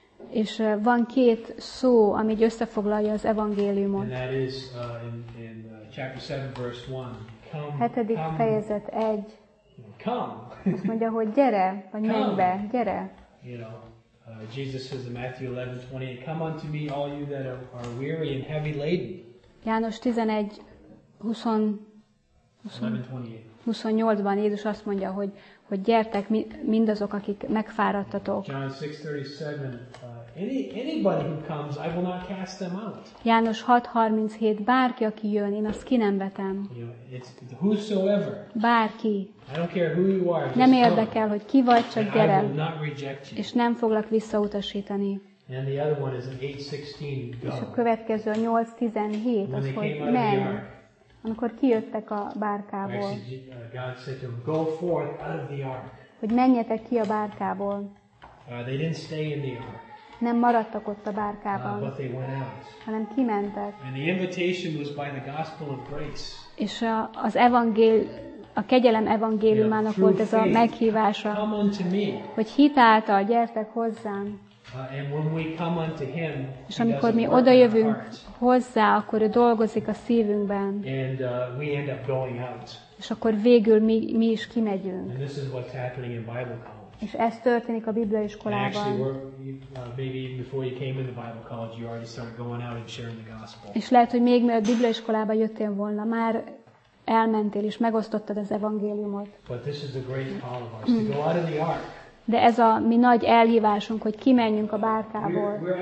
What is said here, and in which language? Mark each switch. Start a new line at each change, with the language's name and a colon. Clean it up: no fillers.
Hungarian: És van két szó, ami összefoglalja az evangéliumot.
English: And that is in chapter 7, verse 1. Come.
Hungarian: Hetedik fejezet egy.
English: Come.
Hungarian: Azt mondja, hogy gyere, vagy menj be, gyere.
English: You know, Jesus says in Matthew 11:28, come unto me, all you that are weary and heavy laden.
Hungarian: János 11:28-ban Jézus azt mondja, hogy gyertek mindazok, akik megfáradtatok.
English: John 6:37, anybody who comes, I will not cast them out.
Hungarian: János 6:37, bárki, aki jön, én azt ki nem vetem.
English: Whosoever.
Hungarian: Bárki.
English: I don't care who you are.
Hungarian: Nem érdekel, hogy ki vagy, csak gyere.
English: I will not reject you.
Hungarian: És nem foglak visszautasítani.
English: And the other one is an 8:16.
Hungarian: És a következő 8:17, az hogy menj. Amikor kijöttek a bárkából.
English: God said to them, go forth out of the ark.
Hungarian: Hogy menjetek ki a bárkából.
English: They didn't stay in the ark.
Hungarian: Nem maradtak ott a bárkában.
English: But they went out.
Hungarian: Hanem kimentek.
English: And the invitation was by the gospel of grace.
Hungarian: És az a kegyelem evangéliumának,
English: you know,
Hungarian: volt ez a meghívása.
English: Come unto me.
Hungarian: Hogy hit által gyertek hozzám.
English: And when we come unto him,
Hungarian: és amikor mi odajövünk hozzá, akkor ő dolgozik a szívünkben.
English: And we end up going out.
Hungarian: És akkor végül mi is kimegyünk.
English: And this is what's happening in Bible college.
Hungarian: És ez történik a Bibliaiskolában.
English: Maybe even before you came in the Bible college, you already started going out and sharing the gospel.
Hungarian: És lehet, hogy még mielőtt Bibliaiskolába jöttél volna, már elmentél és megosztottad az evangéliumot.
English: But this is the great call of ours, to go out of the ark.
Hungarian: De ez a mi nagy elhívásunk, hogy kimenjünk a bárkából.